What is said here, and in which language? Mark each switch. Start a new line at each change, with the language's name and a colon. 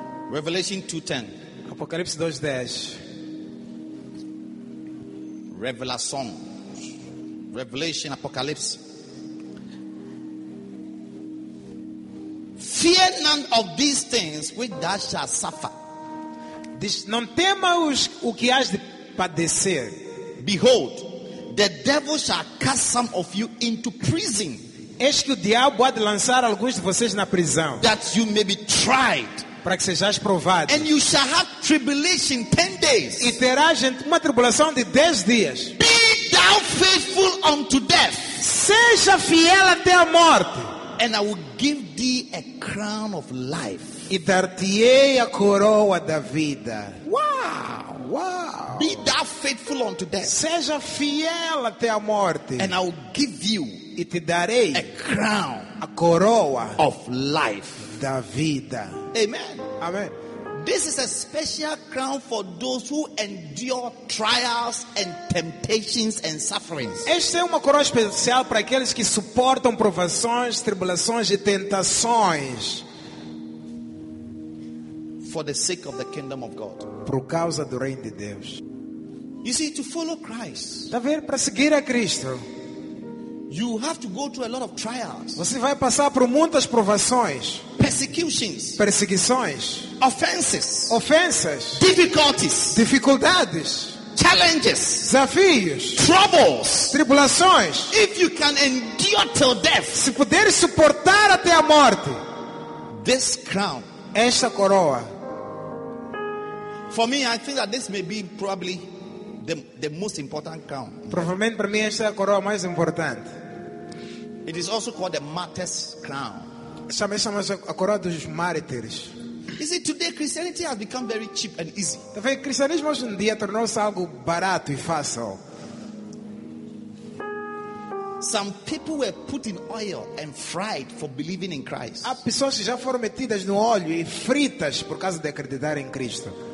English: Revelation 2:10.
Portuguese: Apocalipse 2:10.
English: Revelation. Revelation, Apocalypse. Fear none of these things which thou shalt suffer.
Portuguese: Não tema os o que has de padecer.
English: Behold, the devil shall cast some of you into prison.
Portuguese: Eis que o diabo há de lançar alguns de vocês na prisão.
English: That you may be tried.
Portuguese: Para que sejais provados.
English: And you shall have tribulation 10 days.
Portuguese: E terás uma tribulação de 10 dias.
English: Be thou faithful unto death.
Portuguese: Seja fiel até a morte.
English: And I will give thee a crown of life.
Portuguese: E dar-te-ei a coroa da vida.
English: Wow.
Portuguese: Wow.
English: Be thou faithful unto death.
Portuguese: Seja fiel até a morte.
English: And I will give you.
Portuguese: E te darei.
English: A crown.
Portuguese: A coroa.
English: Of life.
Portuguese: Da vida.
English: Amen.
Portuguese: Amen.
English: This is a special crown for those who endure trials and temptations and sufferings.
Portuguese: Esta é uma coroa especial para aqueles que suportam provações, tribulações e tentações.
English: For the sake of the kingdom of God.
Portuguese: Por causa do reino de Deus.
English: You see, to follow Christ.
Portuguese: Tá vendo? Para seguir a Cristo.
English: You have to go through a lot of trials.
Portuguese: Você vai passar por muitas provações.
English: Persecutions.
Portuguese: Perseguições.
English: Offenses.
Portuguese: Ofensas.
English: Difficulties.
Portuguese: Dificuldades.
English: Challenges.
Portuguese: Desafios.
English: Troubles.
Portuguese: Tribulações.
English: If you can endure till death.
Portuguese: Se puder suportar até a morte.
English: This crown.
Portuguese: Esta coroa.
English: For me, I think that this may be probably the most important crown.
Portuguese: Provavelmente para mim esta é a coroa mais importante.
English: It is also called the martyr's crown.
Portuguese: chama-se a coroa dos mártires.
English: You see, today Christianity has become very cheap and easy.
Portuguese: O cristianismo hoje em dia tornou-se algo barato e fácil.
English: Some people were put in oil and fried for believing in Christ.
Portuguese: Há pessoas que já foram metidas no óleo e fritas por causa de acreditar em Cristo.